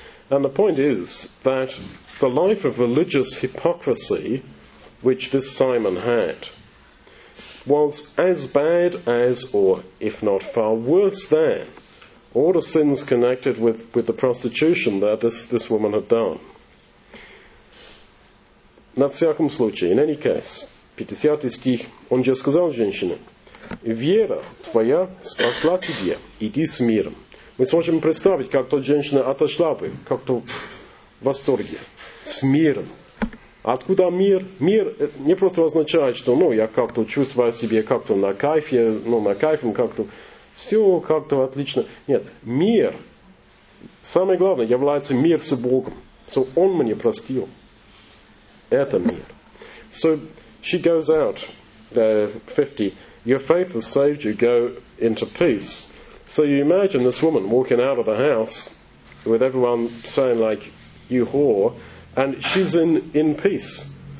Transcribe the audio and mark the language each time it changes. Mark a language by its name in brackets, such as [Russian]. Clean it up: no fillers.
[English] And the point is that the life of religious hypocrisy, which this Simon had, was as bad as, or if not far worse than, all the sins connected with the prostitution that this woman had done. [Russian] На всяком случае, [English] in any case, [Russian] 50 стих. Он же сказал женщине: «Вера твоя спасла тебе, иди с миром». Мы сможем представить, как тот женщина отошла бы, как-то в восторге. С миром. Откуда мир? Мир не просто означает, что ну, я как-то чувствую себя как-то на кайфе, ну, на кайфе как-то. Все как-то отлично. Нет, мир, самое главное, является мир с Богом. So он мне простил. Это мир. [English] So she goes out, 50, your faith has saved you, go into peace. So you imagine this woman walking out of the house with everyone saying like, you whore, and she's in peace.